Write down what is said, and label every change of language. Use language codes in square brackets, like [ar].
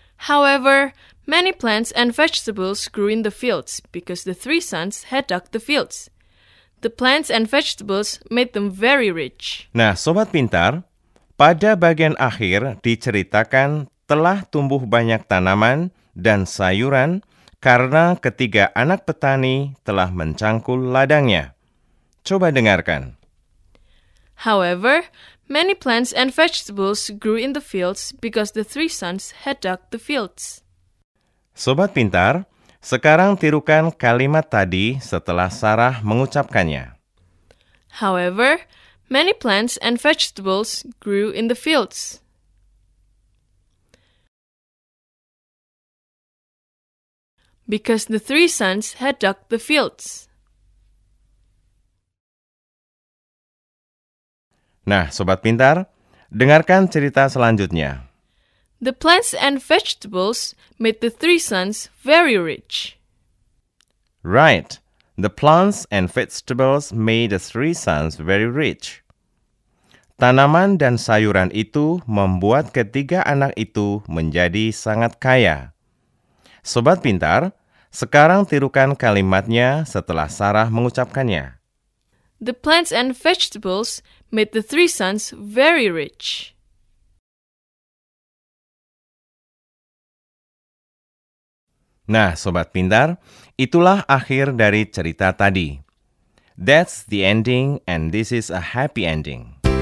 [en] However, many plants and vegetables grew in the fields because the three sons had dug the fields. The plants and vegetables made them very rich. [id] Nah, Sobat Pintar, pada bagian akhir diceritakan telah tumbuh banyak tanaman dan sayuran karena ketiga anak petani telah mencangkul ladangnya. Coba dengarkan. [en] However, many plants and vegetables grew in the fields because the three sons had dug the fields. [id] Sobat Pintar, sekarang tirukan kalimat tadi setelah Sarah mengucapkannya. [en] However, many plants and vegetables grew in the fields. Because the three sons had dug the fields. [id] Nah, Sobat Pintar, dengarkan cerita selanjutnya. [en] The plants and vegetables made the three sons very rich. Right. The plants and vegetables made the three sons very rich. [id] Tanaman dan sayuran itu membuat ketiga anak itu menjadi sangat kaya. Sobat Pintar, sekarang tirukan kalimatnya setelah Sarah mengucapkannya. [en] The plants and vegetables made the three sons very rich. [id] Nah, Sobat Pintar, itulah akhir dari cerita tadi. [en] That's the ending and this is a happy ending.